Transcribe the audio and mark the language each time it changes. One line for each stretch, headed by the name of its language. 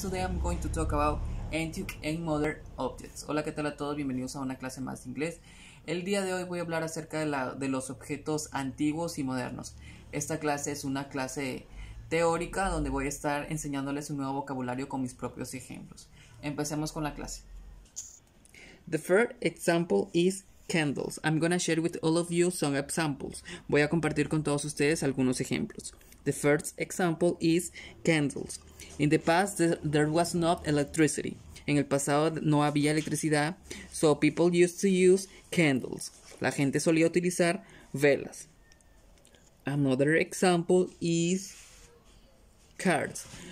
English: Today I'm going to talk about antique and modern objects.
Spanish: Hola, ¿qué tal a todos? Bienvenidos a una clase más de inglés. El día de hoy voy a hablar acerca de los objetos antiguos y modernos. Esta clase es una clase teórica donde voy a estar enseñándoles un nuevo vocabulario con mis propios ejemplos. Empecemos con la clase.
English: The first example is candles. I'm going to share with all of you some examples.
Spanish: Voy a compartir con todos ustedes algunos ejemplos.
English: The first example is candles. In the past, there was not electricity.
Spanish: En el pasado no había electricidad, so people used to use candles. La gente solía utilizar velas. Another example is carts.